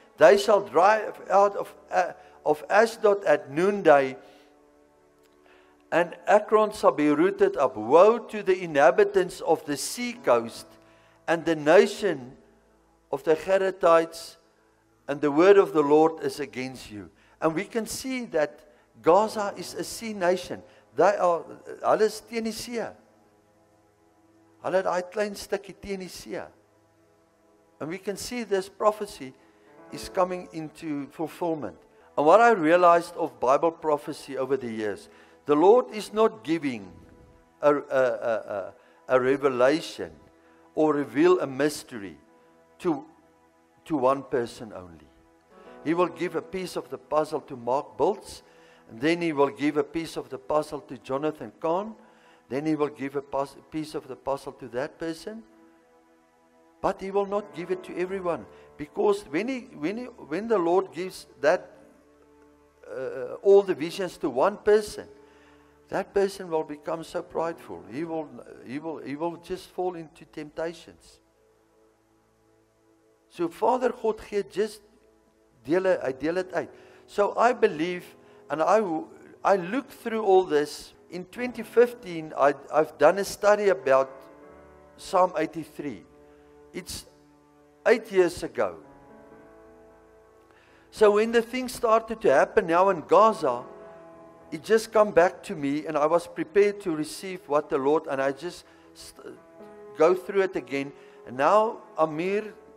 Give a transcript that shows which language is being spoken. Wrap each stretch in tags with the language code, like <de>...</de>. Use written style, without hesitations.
<en>They shall drive out of Ashdod at noonday, and Akron shall be rooted up. Woe to the inhabitants of the sea coast and the nation of the Gerethites, and the word of the Lord is against you. And we can see that Gaza is a sea nation. They are,</en> <af>hulle is teen die see. Hulle het daai klein stukkie teen die see.</af> <en>And we can see this prophecy is coming into fulfillment. And what I realized of Bible prophecy over the years, the Lord is not giving a revelation or reveal a mystery to one person only. He will give a piece of the puzzle to Mark Bultz, and then he will give a piece of the puzzle to Jonathan Kahn, then he will give a piece of the puzzle to that person. But he will not give it to everyone, because when the Lord gives that all the visions to one person, that person will become so prideful. He will just fall into temptations.</en> <af>So Father God gee just deel dit uit.</af> <en>So I believe, and I look through all this. In 2015, I've done a study about Psalm 83. It's 8 years ago. So when the thing started to happen now in Gaza, it just come back to me, and I was prepared to receive what the Lord, and I just go through it again. And now Amir</en>